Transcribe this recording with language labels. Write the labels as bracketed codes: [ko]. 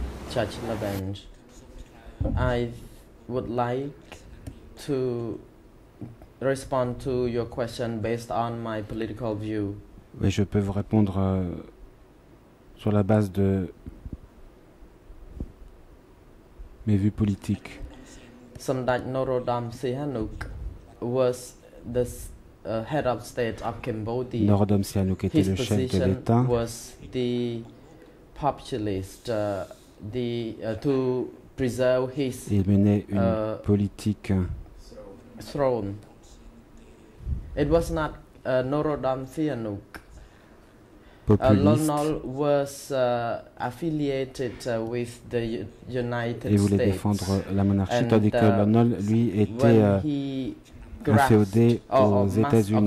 [en] Judge Lavange, I would like to respond to your question based on my political view. [fr] Oui, je peux vous répondre sur la base de mes vues politiques. [en] Samdak Norodom Sihanouk was the head of state of Cambodia. [fr] Norodom Sihanouk était le chef de l'État. [en] Was the populist to preserve his [fr] il menait une politique [en] throne. It was not Norodom Sihanouk. Lon Nol was affiliated with the United States. [fr] Il voulait défendre la monarchie, tandis que Lon Nol, lui, était inféodé aux États-Unis.